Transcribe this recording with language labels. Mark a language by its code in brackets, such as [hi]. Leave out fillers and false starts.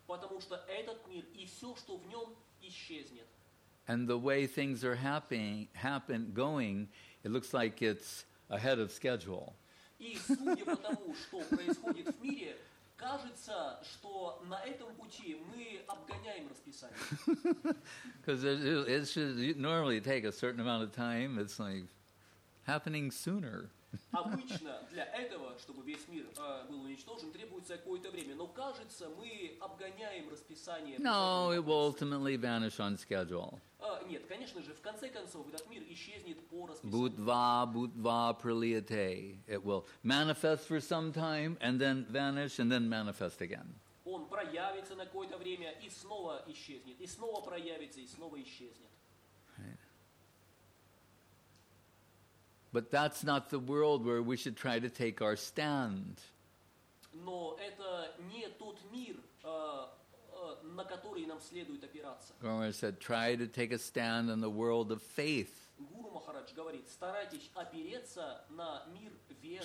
[ru] Потому что этот мир и все, что в нем, исчезнет. [en] And the way things are going, it looks like it's ahead of schedule. [ru] И судя по тому, что происходит в мире, кажется, что на этом пути мы обгоняем расписание. [en] Because it should normally take a certain amount of time. It's like happening sooner. [ru] Обычно для этого, чтобы весь мир был уничтожен, требуется какое-то время. Но кажется, мы обгоняем расписание. [en] No, it will ultimately vanish on schedule. [ru] Нет, конечно же, в конце концов этот мир исчезнет по расписанию. [sa] Будва, будва, пролиете. [en] It will manifest for some time and then vanish and then manifest again. [ru] Он проявится на какое-то время и снова исчезнет, и снова проявится, и снова исчезнет. [en] But that's not the world where we should try to take our stand. [ru] Но это не тот мир, на который нам следует опираться. [en] Guru Maharaj said, try to take a stand in the world of faith. [ru] Гуру Махарадж говорит, старайтесь опереться на мир веры.